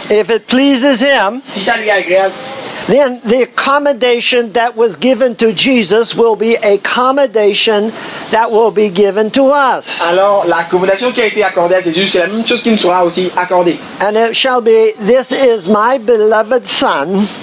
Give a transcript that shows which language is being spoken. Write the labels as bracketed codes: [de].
[en] If it pleases Him, [fr] si ça lui est agréable, [en] Then the accommodation that was given to Jesus will be accommodation that will be given to us. [fr] Alors l'accommodation qui a été accordée à Jésus, c'est la même chose qui nous sera aussi accordée. [en] And it shall be, this is my beloved son,